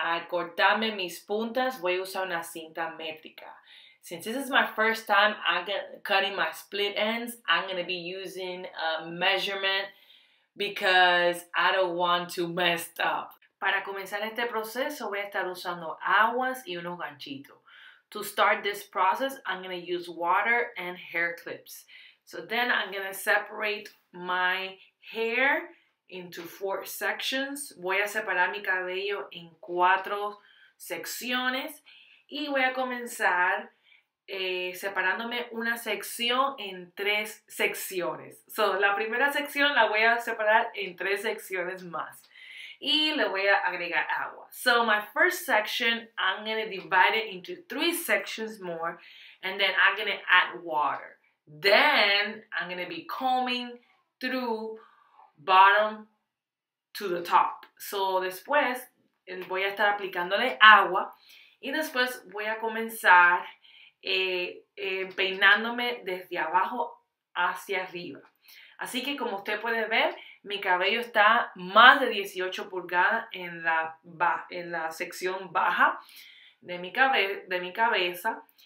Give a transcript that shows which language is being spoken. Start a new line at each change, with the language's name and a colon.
Spanish: Cortarme mis puntas, voy a usar una cinta métrica.
English: Since this is my first time cutting my split ends, I'm going to be using a measurement because I don't want to mess up.
Spanish: Para comenzar este proceso, voy a estar usando aguas y unos ganchitos.
English: To start this process, I'm going to use water and hair clips. So then I'm going to separate my hair into four sections.
Spanish: Voy a separar mi cabello en cuatro secciones y voy a comenzar separándome una sección en tres secciones. So, la primera sección la voy a separar en tres secciones más y le voy a agregar agua.
English: So, my first section, I'm going to divide it into three sections more and then I'm going to add water. Then, I'm going to be combing through bottom to the top.
Spanish: So después voy a estar aplicándole agua y después voy a comenzar peinándome desde abajo hacia arriba. Así que como usted puede ver, mi cabello está más de 18 pulgadas en la sección baja de mi cabeza.